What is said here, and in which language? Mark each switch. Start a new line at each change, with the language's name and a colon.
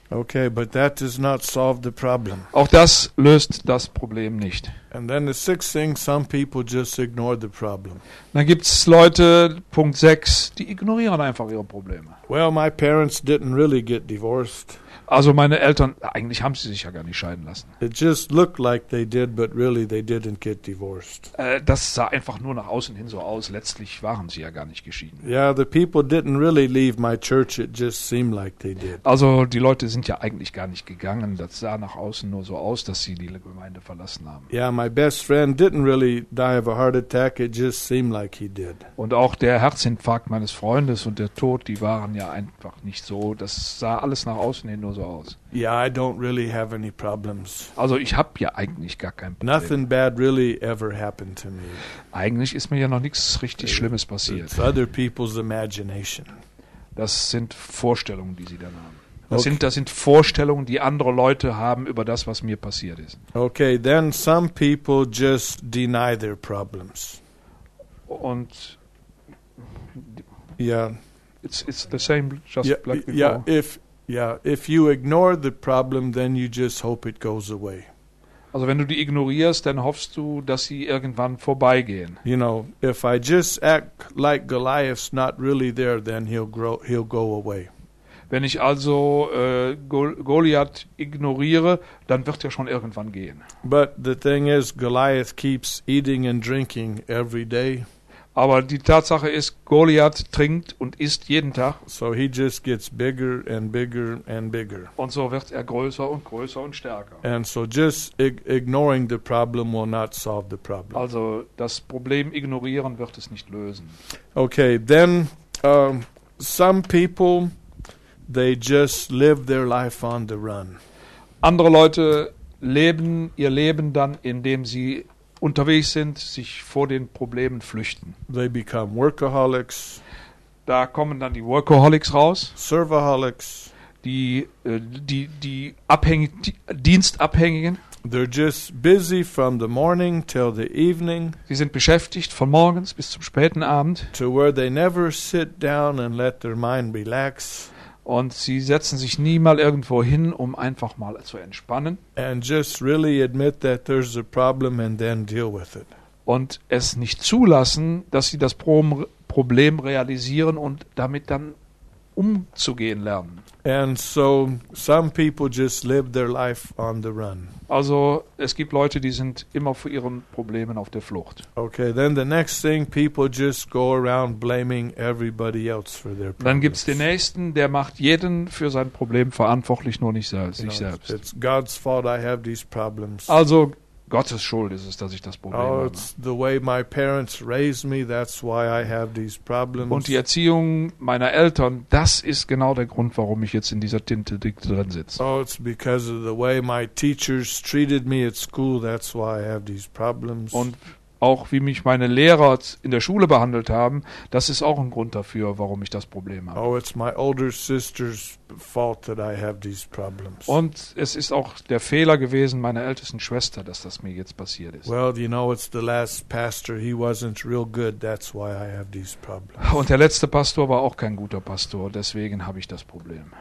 English: Okay, but that does not solve the problem.
German: Auch das löst das Problem nicht.
English: And then the sixth thing, some people just ignore the problem.
German: Dann gibt's Leute, Punkt 6, die ignorieren einfach ihre Probleme.
English: Well, my parents didn't really get divorced.
German: Also meine Eltern, eigentlich haben sie sich ja gar nicht scheiden lassen.
English: It just looked like they did, but really they didn't get divorced.
German: Das sah einfach nur nach außen hin so aus, letztlich waren sie ja gar nicht geschieden.
English: Yeah, the people didn't really leave my church, it just seemed like they did.
German: Also die Leute sind ja eigentlich gar nicht gegangen, das sah nach außen nur so aus, dass sie die Gemeinde verlassen haben.
English: Yeah, my best friend didn't really die of a heart attack, it just seemed like he did.
German: Und auch der Herzinfarkt meines Freundes und der Tod, die waren ja einfach nicht so, das sah alles nach außen hin nur so aus.
English: Yeah, I don't really have any problems.
German: Also ich habe ja eigentlich gar kein Problem.
English: Nothing bad really ever happened to me.
German: Eigentlich ist mir ja noch nichts richtig Schlimmes passiert.
English: It's other people's imagination.
German: Das sind Vorstellungen, die sie dann haben. Das sind Vorstellungen, die andere Leute haben über das, was mir passiert ist.
English: Okay, then some people just deny their problems.
German: Und ja,
English: it's the same just yeah, like before. Yeah, if you ignore the problem, then you just hope it goes away.
German: Also wenn du die ignorierst, dann hoffst du, dass sie irgendwann vorbeigehen.
English: You know, if I just act like Goliath's not really there, then he'll go away.
German: Wenn ich also Goliath ignoriere, dann wird er schon irgendwann gehen.
English: But the thing is, Goliath keeps eating and drinking every day.
German: Aber die Tatsache ist, Goliath trinkt und isst jeden Tag.
English: So he just gets bigger and bigger and bigger.
German: Und so wird er größer und größer und stärker.
English: And so just ignoring the problem will not solve the problem.
German: Also das Problem ignorieren wird es nicht lösen.
English: Okay, then some people, they just live their life on the run.
German: Andere Leute leben ihr Leben dann, indem sie unterwegs sind, sich vor den Problemen flüchten.
English: They become workaholics.
German: Da kommen dann die Workaholics raus.
English: Serverholics.
German: Die abhängigen, Dienstabhängigen.
English: They're just busy from the morning till the evening.
German: Sie sind beschäftigt von morgens bis zum späten Abend.
English: To where they never sit down and let their mind relax.
German: Und sie setzen sich nie mal irgendwo hin, um einfach mal zu entspannen.
English: And just really admit that there's a problem and then deal with it.
German: Und es nicht zulassen, dass sie das Problem realisieren und damit dann umzugehen lernen.
English: And so some people just live their life on the run.
German: Also es gibt Leute, die sind immer vor ihren Problemen auf der Flucht.
English: Okay, then the next thing, people just go around blaming everybody else for their problems.
German: Dann gibt's den nächsten, der macht jeden für sein Problem verantwortlich, nur nicht sich selbst.
English: It's God's fault I have these problems.
German: Also Gottes Schuld ist es, dass ich das Problem habe.
English: Oh, it's the way my parents raised me, that's why I have these problems.
German: Und die Erziehung meiner Eltern, das ist genau der Grund, warum ich jetzt in dieser Tinte drin sitze.
English: Oh, it's because of the way my teachers treated me at school, that's why I have these problems.
German: Und auch wie mich meine Lehrer in der Schule behandelt haben, das ist auch ein Grund dafür, warum ich das Problem habe.
English: Oh, it's my older sister's fault that I have these problems.
German: Und es ist auch der Fehler gewesen meiner ältesten Schwester, dass das mir jetzt passiert ist.
English: Well, you know, it's the last pastor. He wasn't real good. That's why I have these problems.
German: Und der letzte Pastor war auch kein guter Pastor. Deswegen habe ich das Problem.